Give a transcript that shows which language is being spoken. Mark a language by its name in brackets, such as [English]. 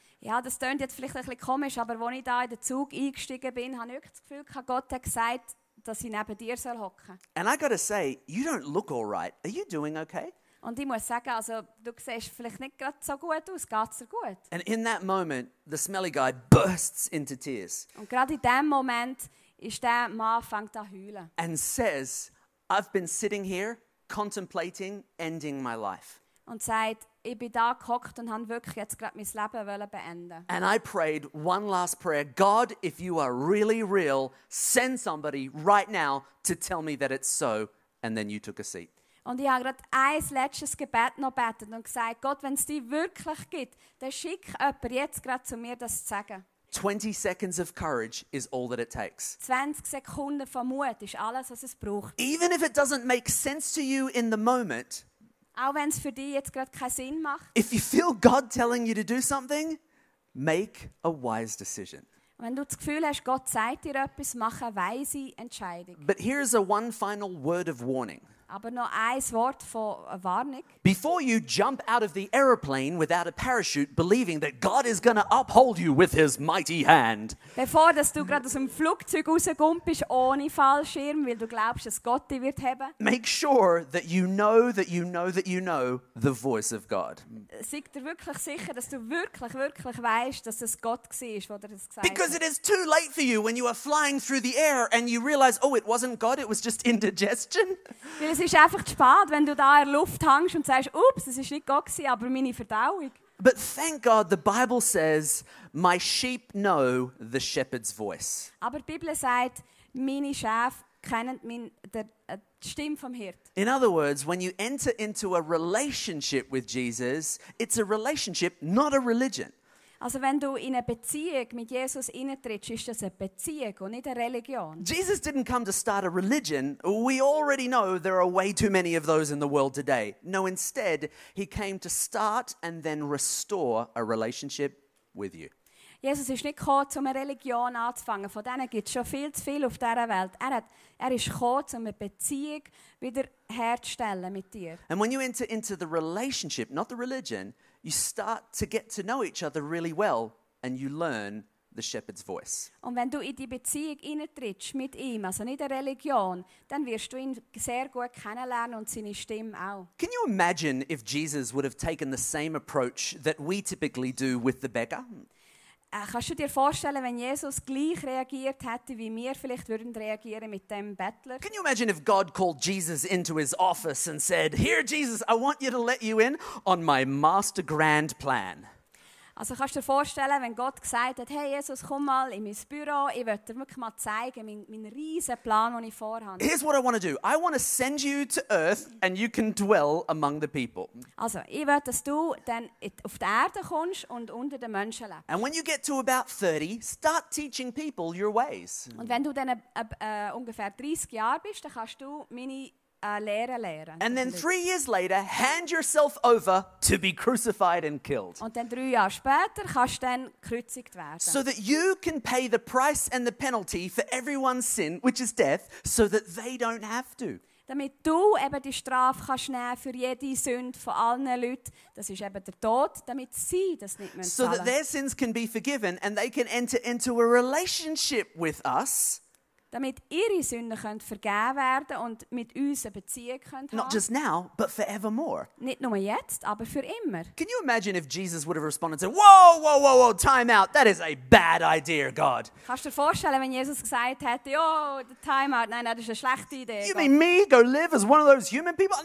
[German] Ja, das klingt jetzt vielleicht ein bisschen komisch, aber als ich da in den Zug eingestiegen bin, habe ich das Gefühl, Gott hat gesagt, dass ich neben dir sitzen soll. [English] And I gotta say, you don't look all right. Are you doing okay? [German] Und ich muss sagen, also, du siehst vielleicht nicht gerade so gut aus. Geht's dir gut? [English] And in that moment, the smelly guy bursts into tears. [German] Und gerade in dem Moment ist der Mann fängt an zu heulen. [English] And says, I've been sitting here, contemplating ending my life. [German] Und sagt, ich bin da gehockt und han wirklich jetzt gerade mein Leben wollen beenden. [English] And I prayed one last prayer. God, if you are really real, send somebody right now to tell me that it's so. And then you took a seat. [German] Und ich habe gerade ein letztes Gebet noch betet und gesagt, Gott, wenn es dich wirklich gibt, dann schick jemand jetzt gerade zu mir, das zu sagen. [English] 20 seconds of courage is all that it takes. [German] 20 Sekunden von Mut ist alles, was es braucht. [English] Even if it doesn't make sense to you in the moment, [German] auch wenn es für dich jetzt gerade keinen Sinn macht. [English] If you feel God telling you to do something, make a wise decision. [German] Wenn du das Gefühl hast, Gott sagt dir etwas, mach eine weise Entscheidung. [English] But here is a one final word of warning. [German] Aber noch ein Wort von Warnung. [English] Before you jump out of the aeroplane without a parachute, believing that God is going to uphold you with his mighty hand. [German] Bevor dass du gerade aus dem Flugzeug rausgumpst ohne Fallschirm, weil du glaubst, dass Gott dich wird haben. [English] Make sure that you know that you know that you know the voice of God. [German] Sei dir wirklich sicher, dass du wirklich, wirklich weißt, dass es Gott gsi isch, wo dir das gesagt hat. [English] Because it is too late for you when you are flying through the air and you realize, oh, it wasn't God, it was just indigestion. [German] Es ist einfach zu spät, wenn du da in der Luft hängst und sagst, ups, es war nicht Gott, aber meine Verdauung. [English] But thank God, the Bible says, my sheep know the shepherd's voice. [German] Aber die Bibel sagt, meine Schafe kennen die Stimme vom Hirte. [English] In other words, when you enter into a relationship with Jesus, it's a relationship, not a religion. [German] Also wenn du in eine Beziehung mit Jesus eintrittst, ist das eine Beziehung und nicht eine Religion. [English] Jesus didn't come to start a religion. We already know there are way too many of those in the world today. No, instead, he came to start and then restore a relationship with you. [German] Jesus ist nicht gekommen, um eine Religion anzufangen. Von denen gibt es schon viel zu viel auf dieser Welt. Er ist gekommen, um eine Beziehung wieder herzustellen mit dir. [English] And when you enter into the relationship, not the religion, you start to get to know each other really well and you learn the shepherd's voice. [German] Und wenn du in die Beziehung hineintrittst mit ihm, also nicht der Religion, dann wirst du ihn sehr gut kennenlernen und seine Stimme auch. [English] Can you imagine if Jesus would have taken the same approach that we typically do with the beggar? [German] Kannst du dir vorstellen, wenn Jesus gleich reagiert hätte, wie wir vielleicht würden reagieren mit dem Bettler? [English] Can you imagine if God called Jesus into his office and said, "Here, Jesus, I want you to let you in on my master grand plan." [German] Also kannst du dir vorstellen, wenn Gott gesagt hat, hey Jesus, komm mal in mein Büro, ich will dir wirklich mal zeigen, mein riesen Plan, den ich vorhabe. [English] Here's what I want to do. I want to send you to earth and you can dwell among the people. [German] Also, ich will, dass du dann auf die Erde kommst und unter den Menschen lebst. [English] And when you get to about 30, start teaching people your ways. [German] Und wenn du dann ungefähr 30 Jahre bist, dann kannst du meine Lehren. [English] And then 3 years later, hand yourself over to be crucified and killed. [German] Und dann 3 Jahre später kannst du dann gekreuzigt werden. [English] So that you can pay the price and the penalty for everyone's sin, which is death, so that they don't have to. [German] Damit du eben die Strafe kannst nehmen für jede Sünde von allen Leuten, das ist eben der Tod, damit sie das nicht mehr zahlen. [English] So that their sins can be forgiven and they can enter into a relationship with us. [German] Damit ihre Sünden vergeben werden und mit uns eine Beziehung haben. [English] Not just now, but forevermore. [German] Nicht nur jetzt, aber für immer. [English] Can you imagine if Jesus would have responded and said, "Whoa, whoa, whoa, whoa, time out. That is a bad idea, God." [German] Kannst du dir vorstellen, wenn Jesus gesagt hätte, [English] "Oh, time out. [German] Nein, das ist eine schlechte Idee." [English] You mean me go live as one of those human people?